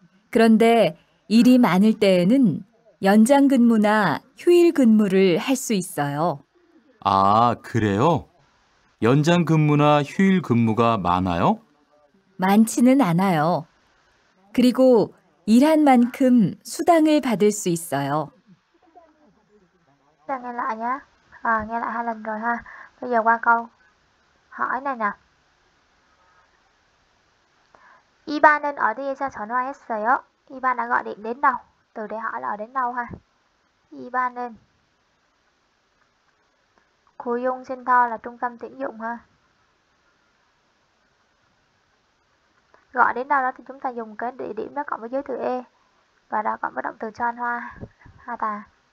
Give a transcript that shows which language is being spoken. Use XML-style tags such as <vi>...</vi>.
<ko>그런데 일이 많을 때에는 연장근무나 휴일근무를 할 수 있어요. 아, 그래요? 연장근무나 휴일근무가 많아요? 많지는 않아요. 그리고 일한 만큼 수당을 받을 수 있어요.</ko> <vi>네, nghe lại hai lần rồi ha. Bây giờ qua câu hỏi này nè.</vi> <ko>이반은 어디에서 전화했어요?</ko> <vi>이반 đã gọi điện đến đâu? Từ để hỏi là ở đến đâu ha.</vi> <ko>이반은 고용센터</ko> <vi>là trung tâm tuyển dụng ha. Gọi đến đâu đó thì chúng ta dùng cái địa điểm đó cộng với giới từ e và đó cộng với động từ chonhoa ha ta.</vi>